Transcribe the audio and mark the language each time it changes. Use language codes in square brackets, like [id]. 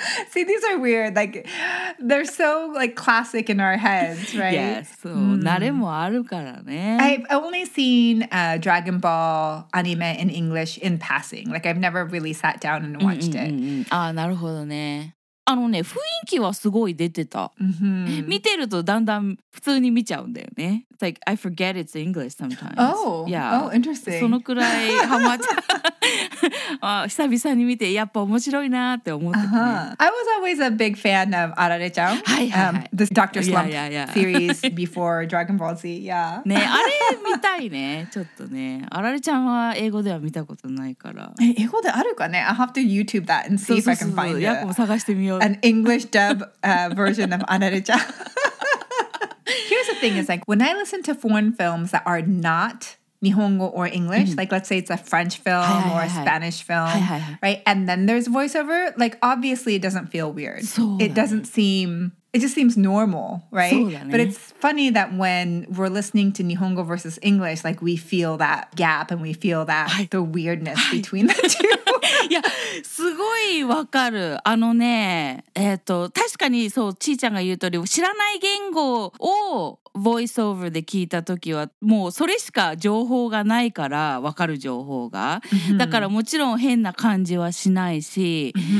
[en] See, these are weird. Like, they're so, like, classic in our heads, right? [ja] Yes, so, nare mo aru kara ne. [en] I've only seen Dragon Ball anime in English in passing. Like, I've never really sat down and watched it. [ja] Ah, なるほどね。あのね、雰囲気はすごい出てた。見てるとだんだん普通に見ちゃうんだよね。 [en] Like, I forget it's English sometimes. Oh, yeah. Oh, interesting. [ja] そのくらいハマっちゃう。久々に見てやっぱ面白いなって思ってた、ね。 [en] Uh-huh. I was always a big fan of Arare-chan. [ja] はいはいはい。 [en] The Dr. Slump series before Dragon Ball Z. Yeah. [ja] ね、あれ見たいね。ちょっとね。Arare-chan は英語では見たことないから。え、英語であるかね。 [en] I'll have to YouTube that and see if I can find it. [ja] そうそうそう。やっぱ探してみよう。 [en] An English dub version of Arare-chan. Here's the thing is like, when I listen to foreign films that are not Nihongo or English, like let's say it's a French film or a Spanish film, right? And then there's voiceover, like obviously it doesn't feel weird. It doesn't seem, it just seems normal, right? But it's funny that when we're listening to Nihongo versus English, like we feel that gap and we feel that the weirdness between the two. [ja] いや、すごいわかる。あのね、確かにそう、ちーちゃんが言う通り、知らない言語をボイスオーバーで聞いたときは、もうそれしか情報がないから、わかる情報が。だからもちろん変な感じはしないし。